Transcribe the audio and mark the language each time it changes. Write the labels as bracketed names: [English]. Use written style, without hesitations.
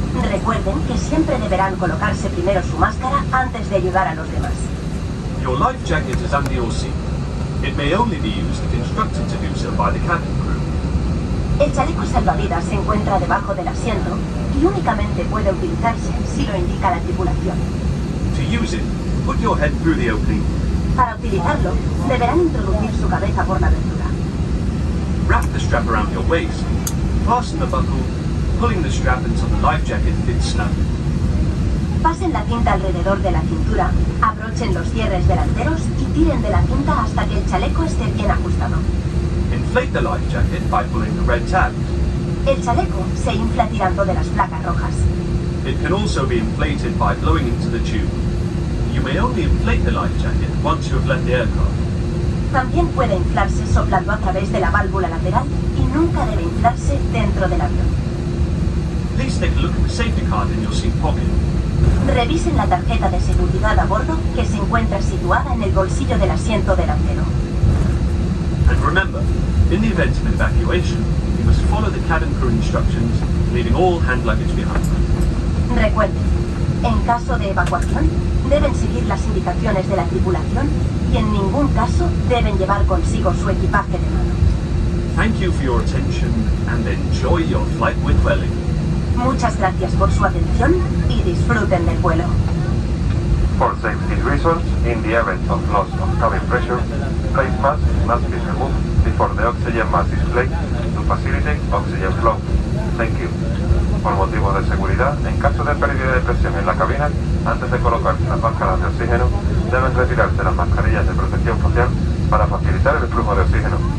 [Spanish] Recuerden que siempre deberán colocarse primero su máscara antes de ayudar a los demás. [English] Your life jacket is under your seat. It may only be used if instructed to do so by the cabin crew. [Spanish] El chaleco salvavidas se encuentra debajo del asiento y únicamente puede utilizarse si lo indica la tripulación. [English] To use it, put your head through the opening. [Spanish] Para utilizarlo, deberán introducir su cabeza por la abertura. [English] Wrap the strap around your waist. Fasten the buckle, pulling the strap until the life jacket fits snug. [Spanish] Pasen la cinta alrededor de la cintura, abrochen los cierres delanteros y tiren de la cinta hasta que el chaleco esté bien ajustado. [English] Inflate the life jacket by pulling the red tabs. [Spanish] El chaleco se infla tirando de las placas rojas. [English] It can also be inflated by blowing into the tube. You may only inflate the life jacket once you have left the aircraft. [Spanish] También puede inflarse soplando a través de la válvula lateral y nunca debe inflarse dentro del avión. [English] Please take a look at the safety card in your seat pocket. [Spanish] Revisen la tarjeta de seguridad a bordo que se encuentra situada en el bolsillo del asiento delantero. [English] And remember, in the event of evacuation, you must follow the cabin crew instructions, leaving all hand luggage behind. [Spanish] Recuerden, En caso de evacuación, deben seguir las indicaciones de la tripulación y en ningún caso deben llevar consigo su equipaje de mano. [English] Thank you for your attention and enjoy your flight with Welling. [Spanish] Muchas gracias por su atención y disfruten del vuelo. [English] For safety reasons, in the event of loss of cabin pressure, face mask must be removed before the oxygen mask is placed to facilitate oxygen flow. Thank you. [Spanish] Por motivos de seguridad, en caso de pérdida de presión en la cabina, antes de colocar las máscaras de oxígeno, deben retirarse las mascarillas de protección facial para facilitar el flujo de oxígeno.